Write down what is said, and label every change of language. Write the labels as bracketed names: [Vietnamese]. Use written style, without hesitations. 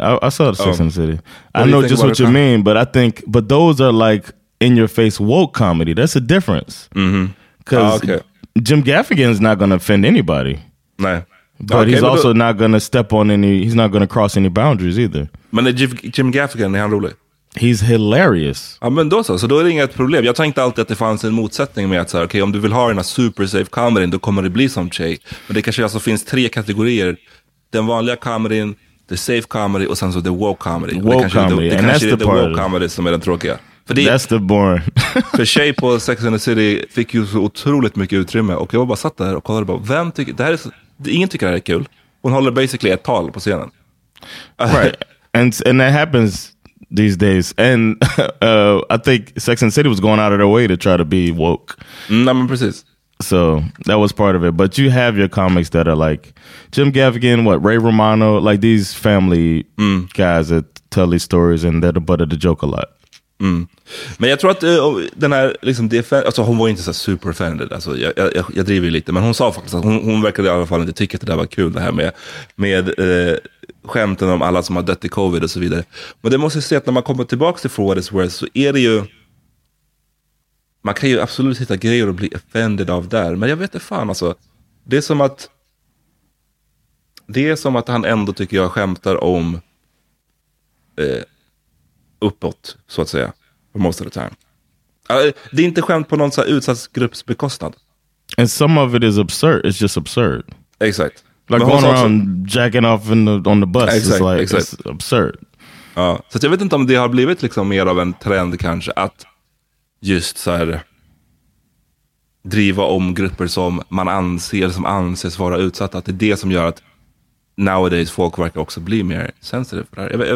[English] I saw the Sex and the City. I know just what you mean, but I think, but those are like in your face woke comedy. That's a difference. Because Jim Gaffigan is not going to offend anybody. [Swedish] Nej. [English] But okay, he's also not going to step on any, he's not going to cross any boundaries either. [Swedish] Men Jim Gaffigan, är han rolig? [English] He's hilarious. [Swedish] Ja, men då så. Så då är det inget problem. Jag tänkte alltid att det fanns en motsättning med att så här, okej, om du vill ha en [English] super safe comedy, [Swedish] då kommer det bli som Chey. Men det kanske alltså finns tre kategorier. Den vanliga comedyn, [English] the safe comedy [Swedish] och sen så [English] the woke comedy. Woke [Swedish] det [English] comedy, [Swedish] det, det [English] and that's the part. Woke comedy [Swedish] som är den tråkiga. För det, [English] that's the boring. [Swedish] För tjej på Sex and the City fick ju så otroligt mycket utrymme. Och jag bara satt där och kollade bara, vem tycker, det här är så, ingen tycker det här är kul. Hon håller basically ett tal på scenen. [English] Right, and that happens these days. And I think Sex and the City was going out of their way to try to be woke. [Swedish] Nej, men precis. [English] So that was part of it. But you have your comics that are like Jim Gaffigan, what, Ray Romano, like these family guys that tell these stories and they're the butt of the joke a lot. Mm. [Swedish] Men jag tror att den här liksom, alltså, hon var inte så super offended. Alltså, jag driver ju lite, men hon sa faktiskt att hon verkade i alla fall inte tycka att det där var kul, det här med skämten om alla som har dött i covid och så vidare. Men det måste jag säga att när man kommer tillbaka till For What It's Worth så är det ju, man kan ju absolut hitta grejer att bli offended av där, men jag vet inte fan, alltså, det är som att han ändå tycker jag skämtar om uppåt, så att säga, [English] for most of the time. [Swedish] Det är inte skämt på någon så här utsatsgrupps bekostnad. [English] And some of it is absurd, it's just absurd. [Swedish] Exakt. [English] Like going around jacking off on the bus, [Swedish] exakt, [English] is like, exakt. It's absurd. [Swedish] Ja, så jag vet inte om det har blivit liksom mer av en trend kanske att just så här driva om grupper som man anser, som anses vara utsatta, att det är det som gör att [English] nowadays [Swedish] folk verkar också bli mer [English] sensitive [Swedish] för det här.